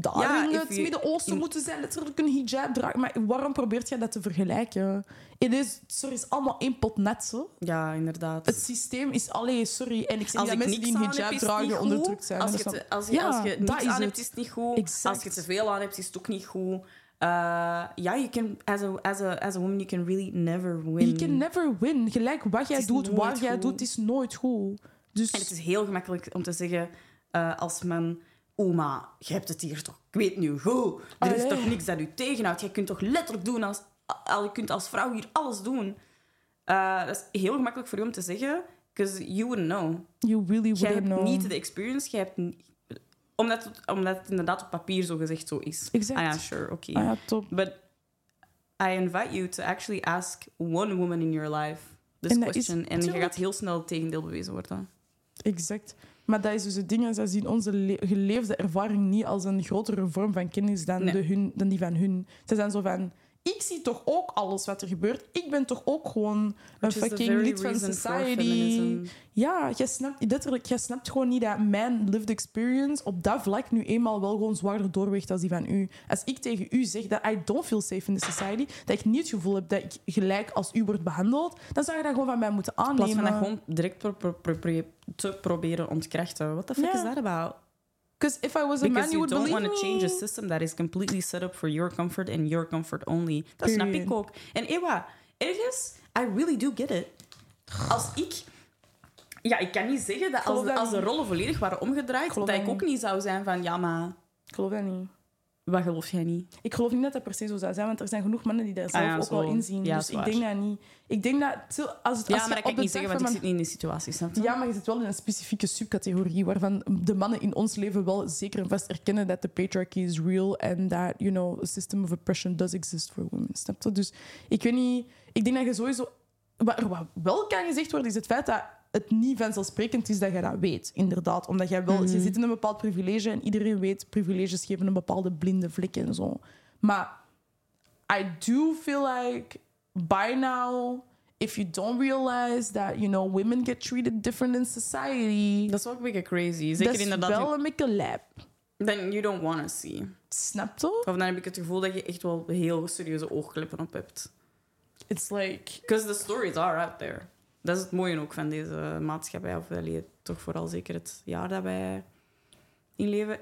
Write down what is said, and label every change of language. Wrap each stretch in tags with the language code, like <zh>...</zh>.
<nl>Daar ja, in het Midden-Oosten moeten zij letterlijk een hijab dragen. Maar waarom probeert jij dat te vergelijken? Het is, sorry, is allemaal één pot net zo. Ja, inderdaad. Het systeem is alleen, sorry. En ik zie dat mensen die een hijab dragen onderdrukt zijn. Als je, als je niks aan hebt, is het niet goed. Exact. Als je te veel aan hebt, is het ook niet goed.</nl> <en>Ja, you can, as a woman, you can really never win. You can never win.</en> <nl>Gelijk wat jij doet, wat jij doet, is nooit goed. Dus... En het is heel gemakkelijk om te zeggen als man... Oma, je hebt het hier toch? Ik weet nu goed. Er is toch niks dat u tegenhoudt? Jij kunt toch letterlijk doen als... Je kunt als vrouw hier alles doen. Dat is heel gemakkelijk voor u om te zeggen.</nl> <en>Because you wouldn't know. You really wouldn't know.</en> <nl>Jij hebt niet de experience, jij hebt... Omdat het inderdaad op papier zo gezegd zo is. Exact. Ah ja, sure, oké. Ah ja, top.</nl> <en>But I invite you to actually ask one woman in your life this question.</en> <nl>En je gaat heel snel het tegendeel bewezen worden. Exact. Maar dat is dus het ding. Zij zien onze geleefde ervaring niet als een grotere vorm van kennis dan, dan die van hun. Zij zijn zo van... Ik zie toch ook alles wat er gebeurt. Ik ben toch ook gewoon een fucking lid van society. Ja, jij snapt gewoon niet dat mijn</nl> <en>lived experience</en> <nl>op dat vlak nu eenmaal wel gewoon zwaarder doorweegt als die van u. Als ik tegen u zeg dat</nl> <en>I don't feel safe in the society,</en> <nl>dat ik niet het gevoel heb dat ik gelijk als u wordt behandeld, dan zou je dat gewoon van mij moeten aannemen. In plaats van dat gewoon direct te proberen ontkrachten.</nl> <en>What the fuck is that about? Because if I was a man, you would believe me. You don't want to change a system that is completely set up for your comfort and your comfort only.</en> <nl>Dat snap ik ook. En Ewa, ergens,</nl> <en>I really do get it.</en> <nl>Als ik... Ja, ik kan niet zeggen dat als de rollen volledig waren omgedraaid, dat ik ook niet zou zijn van, ja, maar... Ik geloof dat niet. Wat geloof jij niet? Ik geloof niet dat dat per se zo zou zijn, want er zijn genoeg mannen die daar zelf ook wel inzien. Ja, dus ik denk dat niet. Ik denk dat... Maar dat kan ik niet zeggen, want ik zit niet in die situatie. Snap je? Ja, maar je zit wel in een specifieke subcategorie waarvan de mannen in ons leven wel zeker en vast erkennen dat de</nl> <en>patriarchy is real</en> <nl>en dat,</nl> <en>you know, a system of oppression does exist for women.</en> <nl>Snap je? Dus ik weet niet... Ik denk dat je sowieso... Wat wel kan gezegd worden, is het feit dat het niet vanzelfsprekend is dat je dat weet, inderdaad. Omdat jij wel... Mm-hmm. Je zit in een bepaald privilege en iedereen weet, privileges geven een bepaalde blinde vlek en zo.</nl> <en>Maar I do feel like... By now, if you don't realize that, you know, women get treated different in society...</en> <nl>Dat is ook een beetje crazy. Zeker dat inderdaad is wel een beetje lab.</nl> <en>Then you don't want to see.</en> <nl>Snap je? Of dan heb ik het gevoel dat je echt wel heel serieuze oogkleppen op hebt.</nl> <en>It's like... Because the stories are out there.</en> <nl>Dat is het mooie ook van deze maatschappij. Of allee, toch vooral zeker het jaar dat wij in leven.</nl>